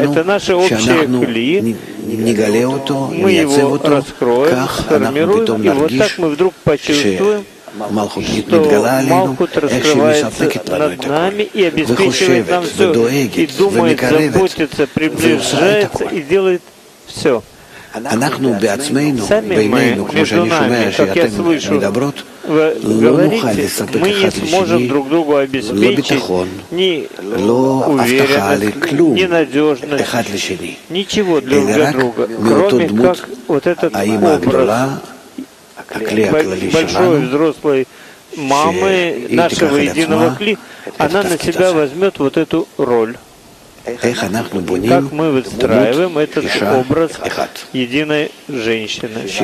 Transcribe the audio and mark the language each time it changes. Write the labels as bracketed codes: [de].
[ru] это наша общая кли, мы его раскроем, сформируем, и вот так мы вдруг почувствуем, что Малхут раскрывается над нами и обеспечивает нам все, и думает, заботится, приближается и делает все. [he] אנחנו בעצמנו, בינינו, כמו שאני שומע שאתם מדברות, לא נוכל לספק אחד לשני, לא ביטחון, לא הבטחה לכלום אחד לשני, אלא רק מאותו דמות, האמא הגדולה, הכלי הכללי שלנו, [ru] мамы нашего единого кли, она на себя возьмет вот эту роль. Как мы выстраиваем этот образ единой женщины?